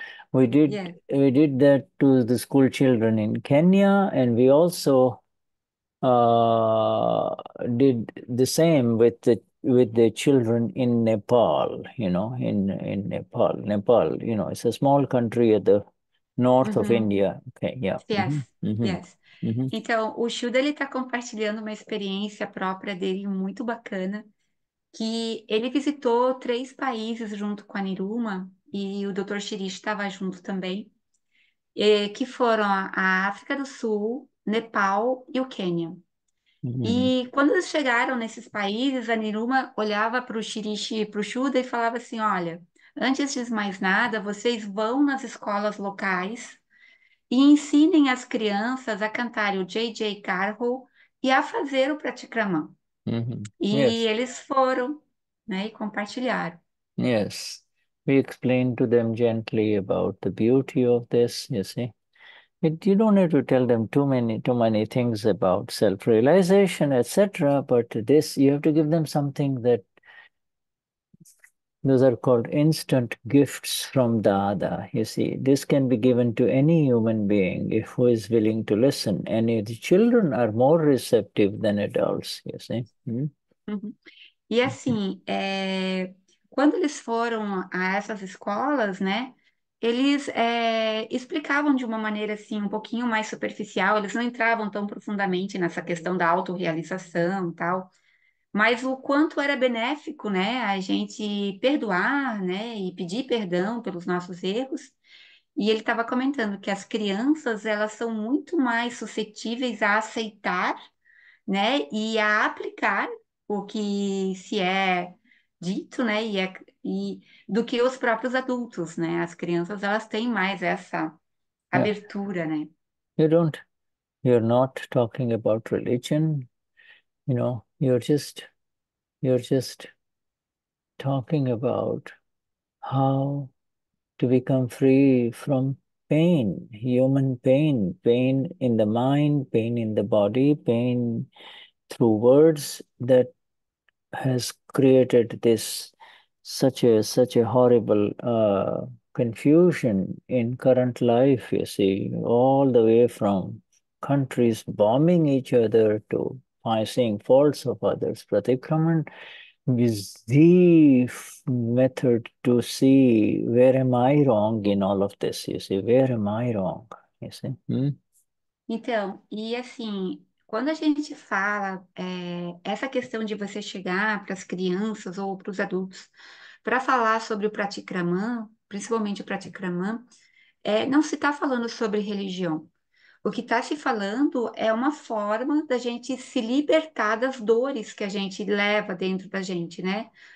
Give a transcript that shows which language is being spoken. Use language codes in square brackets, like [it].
[en] We did that to the school children in Kenya, and we also did the same with the children in Nepal, you know, in Nepal. Nepal, you know, it's a small country at the north of India. Okay, yeah. Yes. Yes. [pt] Então, o Shuda, ele está compartilhando uma experiência própria dele muito bacana, que ele visitou três países junto com a Niruma, e o Dr. Shirish estava junto também, que foram a África do Sul, Nepal e o Quênia. E quando eles chegaram nesses países, a Niruma olhava para o Shirish e para o Shuda e falava assim: olha, antes de mais nada, vocês vão nas escolas locais e ensinem as crianças a cantar o Jeijeikar Ho e a fazer o Pratikraman. E eles foram, né, e compartilharam. [en] Yes, we explained to them gently about the beauty of this, you see. It, you don't need to tell them too many things about self-realization, etc. But this, you have to give them something that, those are called instant gifts from Dada. You see, this can be given to any human being if who is willing to listen. And the children are more receptive than adults, you see. [pt] E assim, quando eles foram a essas escolas, né, eles explicavam de uma maneira assim um pouquinho mais superficial, eles não entravam tão profundamente nessa questão da autorrealização e tal, mas o quanto era benéfico, né, a gente perdoar, né, e pedir perdão pelos nossos erros. E ele estava comentando que as crianças, elas são muito mais suscetíveis a aceitar, né, e a aplicar o que se é dito, né, do que os próprios adultos, né? As crianças, elas têm mais essa abertura, né? [en] You're not talking about religion, you know, you're just talking about how to become free from pain, human pain, pain in the mind, pain in the body, pain through words that has created this such a horrible confusion in current life, you see, all the way from countries bombing each other to seeing faults of others. Pratikraman is the method to see where am I wrong in all of this, you see, where am I wrong, you see. [pt] Então, e assim, quando a gente fala essa questão de você chegar para as crianças ou para os adultos para falar sobre o Pratikraman, principalmente o Pratikraman, não se está falando sobre religião. O que está se falando é uma forma da gente se libertar das dores que a gente leva dentro da gente, né?